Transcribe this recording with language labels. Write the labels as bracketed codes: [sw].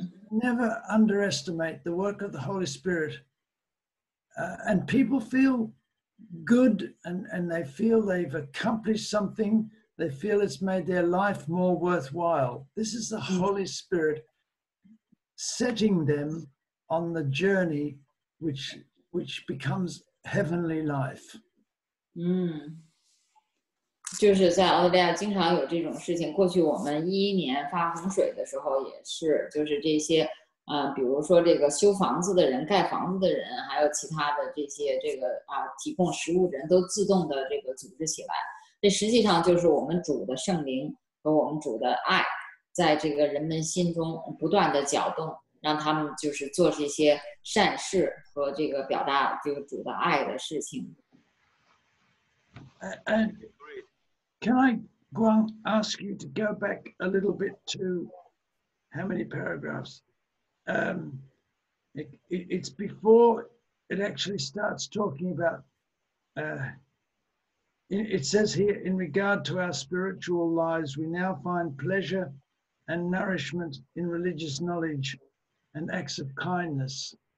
[en] Never underestimate the work of the Holy Spirit. And people feel good and they feel they've accomplished something. They feel it's made their life more worthwhile. This is the Holy Spirit setting them on the journey which becomes heavenly life. [zh] 就是在澳大利亚经常有这种事情，过去我们2011年发洪水的时候也是，就是这些比如说这个修房子的人、盖房子的人，还有其他的这些这个提供食物的人都自动的这个组织起来，这实际上就是我们主的圣灵和我们主的爱在这个人们心中不断的搅动，让他们就是做这些善事和这个表达这个主的爱的事情。 [en] Can I, Guang, ask you to go back a little bit to how many paragraphs? It's before it actually starts talking about, it says here, in regard to our spiritual lives, we now find pleasure and nourishment in religious knowledge and acts of kindness.